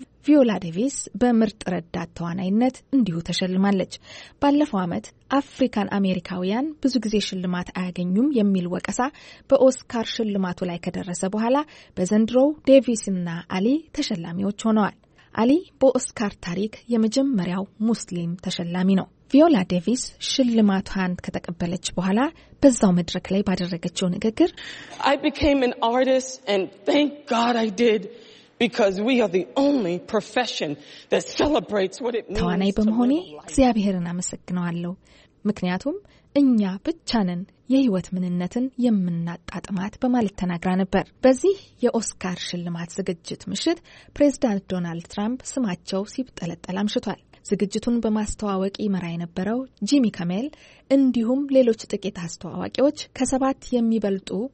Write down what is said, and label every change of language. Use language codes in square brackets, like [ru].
[am] ቪዮላ ዴቪስ በምርጥ ረዳት ተዋናይነት እንዲሁ ተሸልማለች። ባለፈው ዓመት አፍሪካን አሜሪካውያን ብዙ ጊዜ ሽልማት አያገኙም የሚል ወቀሳ በኦስካር ሽልማቱ ላይ ከደረሰ በኋላ በዘንድሮው ዴቪስና አሊ ተሸላሚዎች ሆነዋል። አሊ በኦስካር ታሪክ የመጀመሪያው ሙስሊም ተሸላሚ ነው። ቪዮላ ዴቪስ ሽልማቷን ከተቀበለች በኋላ በዛው መድረክ ላይ ባደረገችው ንግግር [en] I became an artist and thank God I did. Because we are the only profession that celebrates what it means. [am] ተዋናይ በመሆኔ እግዚአብሔርን አመሰግናለሁ። ምክንያቱም እኛ ብቻ ነን የህይወት ምንነትን የምናጣጥማት በማለት ተናግራ ነበር። በዚህ የኦስካር ሽልማት ዝግጅት ምሽት ፕሬዝዳንት ዶናልድ ትራምፕ ስማቸው ሲጠለጠል አምሽቷል። ዝግጅቱን በማስተዋወቅ ይመራ የነበረው ጂሚ ካሜል እንዲሁም ሌሎች ጥቂት አስተዋዋቂዎች ከሰባት የሚበልጡ